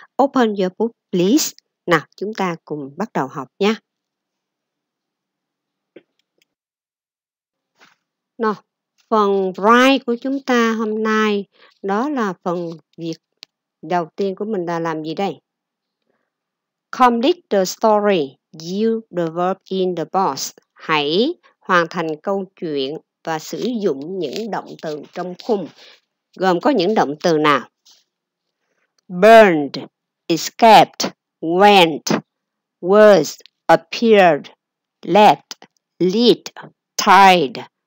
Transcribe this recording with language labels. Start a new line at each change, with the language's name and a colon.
English: Open your book please.
Vietnamese: Nào, chúng ta cùng bắt đầu học nhé. Nào, phần write của chúng ta hôm nay đó là phần việc đầu tiên của mình là làm gì đây?
English: Complete the story, use the verb in the past.
Vietnamese: Hãy hoàn thành câu chuyện và sử dụng những động từ trong khung. Gồm có những động từ nào? Burned, escaped, went, was, appeared, left, lit, tied.